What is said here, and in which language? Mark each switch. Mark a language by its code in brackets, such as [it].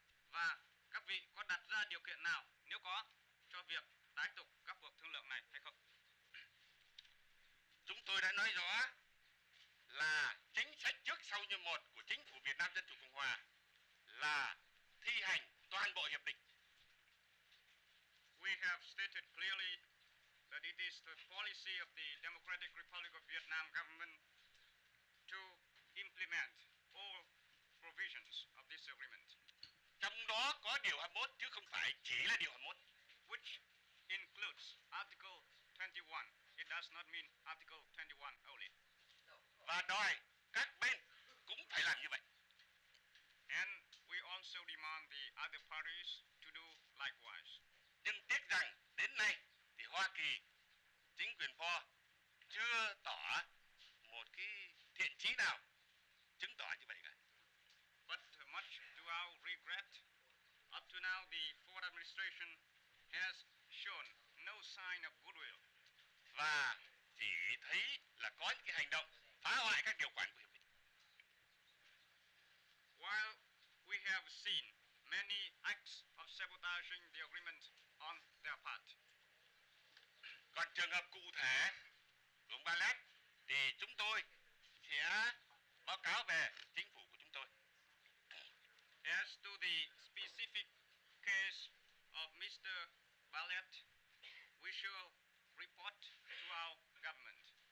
[vi] Và các vị có đặt ra điều kiện nào, nếu có, cho việc tái tục các cuộc thương lượng này hay không? Chúng tôi đã nói rõ là chính sách trước sau như một của Chính phủ Việt Nam Dân chủ Cộng hòa là thi hành toàn bộ hiệp định. [en] We have stated clearly that it is the policy of the Democratic Republic of Vietnam government to implement all provisions of this agreement. [vi] Trong đó có điều 21 chứ không phải chỉ là điều 21. [en] Which includes Article 21. It does not mean Article 21 only. [vi] Và đòi các bên cũng phải làm như vậy. [en] And we also demand the other parties to do likewise. [vi] Nhưng tiếc rằng đến nay thì Hoa Kỳ, chính quyền Ford chưa tỏ một cái thiện chí nào chứng tỏ như vậy cả. [en] But much to our regret, up to now the Ford administration has shown no sign of goodwill. [vi] Và chỉ thấy là có những cái hành động phá hoại các điều khoản của hiệp định. [en] While we have seen many acts of sabotaging the agreement on their part. [vi] Còn trường hợp cụ thể của ông Ballet thì chúng tôi sẽ báo cáo về chính phủ của chúng tôi. [en] As to the specific case of Mr. Ballet, we shall report to our government.